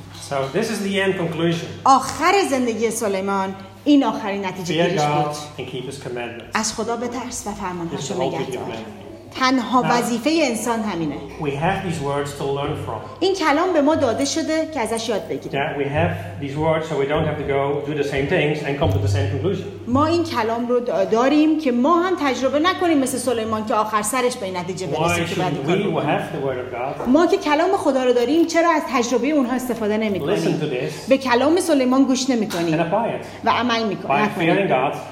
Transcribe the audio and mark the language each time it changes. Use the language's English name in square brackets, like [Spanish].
[English] So this is the end conclusion. [Persian] آخر زندگی سلیمان این آخرین نتیجه گیریش بود. [English] And keep his commandments. [Persian] از خدا بترس و فرمانهاش را نگه دار. تنها وظیفه انسان همینه. [English] We have these words to learn from. [Persian] این کلام به ما داده شده که ازش یاد بگیریم. [English] Yeah, we have these words so we don't have to go do the same things and come to the same conclusion. [Persian] ما این کلام رو داریم که ما هم تجربه نکنیم مثل سلیمان که آخر سرش به این نتیجه برسیم که بعد [English] we have the word of God. [Persian] ما که کلام خدا رو داریم چرا از تجربه اونها استفاده نمی‌کنیم؟ [English] Listen to this. [Persian] به کلام سلیمان گوش نمی‌کنیم. [English] And apply it. [Persian] و عمل می‌کنیم. [English] By fearing God.